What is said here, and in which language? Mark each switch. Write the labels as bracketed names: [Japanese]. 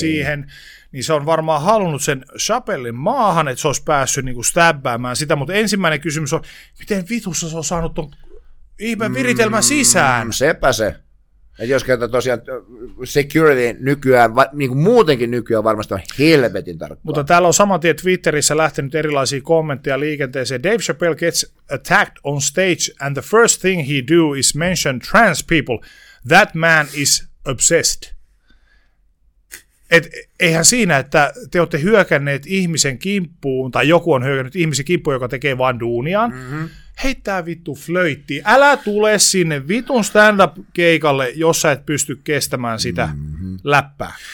[Finnish] Siihen, niin se on varmaan halunnut sen Chappellin maahan, että se olisi päässyt niin kuin stäbbäämään sitä, mutta ensimmäinen kysymys on, miten vitussa se on saanut tuon ihmeen viritelmän sisään? Sepä se. Et jos käytetään tosiaan security nykyään, niin kuin muutenkin nykyään varmasti on helvetin tarkkaan. Mutta täällä on saman tien Twitterissä lähtenyt erilaisia kommentteja liikenteeseen. [English] Dave Chappelle gets attacked on stage and the first thing he do is mention trans people. That man is obsessed. [Finnish] Et eihän siinä, että te olette hyökänneet ihmisen kimppuun, tai joku on hyökännyt ihmisen kimppuun, joka tekee vaan duuniaan, heittää vittu flöittiin. Älä tule sinne vitun stand-up-keikalle, jos sä et pysty kestämään sitä läppää.